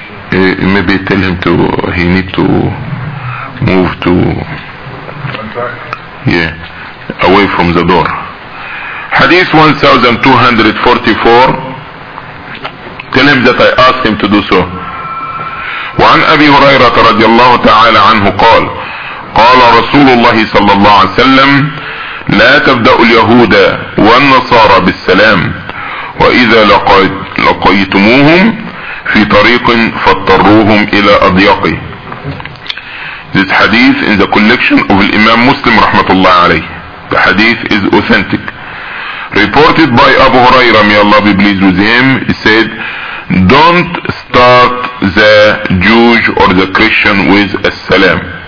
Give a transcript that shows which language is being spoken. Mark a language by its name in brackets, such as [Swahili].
[English] Maybe tell him to, he need to move to, yeah, away from the door. Hadith 1244, tell him that I asked him to do so. [Arabic] وعن أبي هريرة رضي الله تعالى عنه قال قال رسول الله صلى الله عليه وسلم لا تبدأ اليهود والنصارى بالسلام وإذا لقيتموهم في طريق فاضطروهم إلى أضيقه. [English] This hadith in the collection of Imam Muslim [Arabic] رحمة الله عليه. [English] The hadith is authentic. Reported by Abu Huraira, may Allah be pleased with him. He said, don't start the Jewish or the Christian with a salam.